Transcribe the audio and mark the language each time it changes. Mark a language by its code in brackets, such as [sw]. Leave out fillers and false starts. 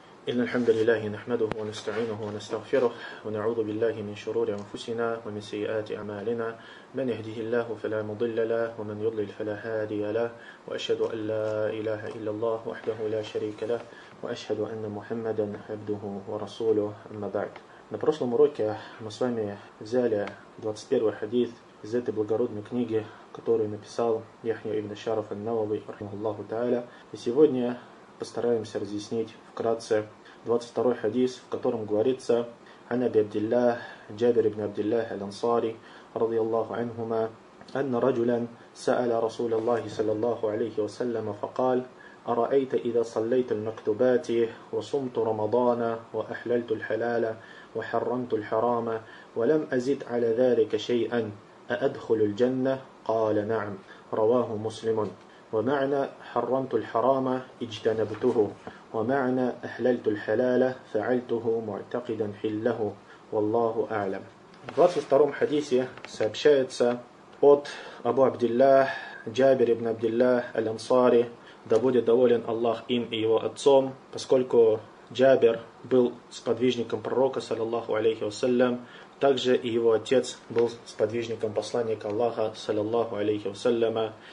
[ar] إن الحمد لله نحمده ونستعينه ونستغفره ونعوذ بالله من شرور أنفسنا ومن سيئات أعمالنا من يهده الله فلا مضل له ومن يضلل فلا هادي له وأشهد أن لا إله إلا الله وحده لا شريك له وأشهد أن محمدا عبده ورسوله أما بعد. [ru] На прошлом уроке мы с вами взяли 21 хадис из этой благородной книги, которую написал Яхья ибн Шараф ан-Навави [ar] رحمه الله تعالى. [ru] И сегодня постараемся разъяснить вкратце 22-й хадис, в котором говорится «Ан Аби Абдиллах, Джабир ибн Абдиллах аль-Ансари, [ar] رضي الله عنهما, أن رجلا سأل رسول الله صلى الله عليه وسلم فقال أرأيت إذا صليت المكتوبات وصمت رمضان وأحللت الحلال وحرمت الحرام ولم أزد على ذلك شيئا أأدخل الجنة؟ قال نعم. رواه مسلم. ومعنى حرمت الحرام اجتنبته، ومعنى أحللت الحلال فعلته معتقدا حله والله أعلم. [ru] В 22-м хадисе сообщается от Абу Абдиллах, Джабир ибн Абдиллах аль-Ансари, да будет доволен Аллах им и его отцом, поскольку Джабир был сподвижником пророка, [ar] саллиллаху алейхи вассалям, [ru] также и его отец был сподвижником посланника Аллаха, [ar] саллиллаху алейхи вассаляма.